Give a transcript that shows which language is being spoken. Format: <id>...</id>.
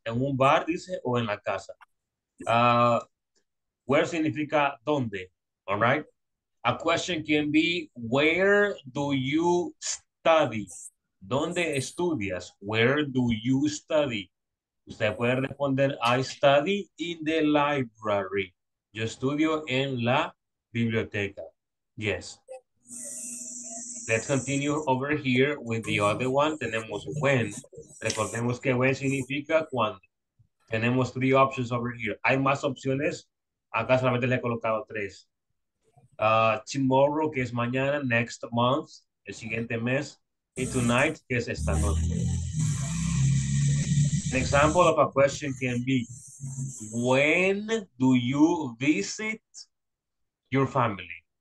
<es>En un bar, dice, o en la casa.</es> <en>Where</en> <es>significa donde,</es> <en>all right? A question can be, where do you study?</en> <es>¿Dónde estudias?</es> <en>Where do you study?</en> <es>Usted puede responder,</es> <en>I study in the library.</en> <es>Yo estudio en la biblioteca. Yes.</es> <en>Let's continue over here with the other one.</en> <es>Tenemos</es> <en>when.</en> <es>Recordemos que when significa cuando. Tenemos 3</es> <en>options over here.</en> <es>Hay más opciones. Acá solamente le he colocado 3.</es> <en>Tomorrow,</en> <es>que es mañana,</es> <en>next month,</en> <es>el siguiente mes, y</es> <en>tonight,</en> <es>que es esta noche.</es> <en>An example of a question can be, when do you visit your family?</en>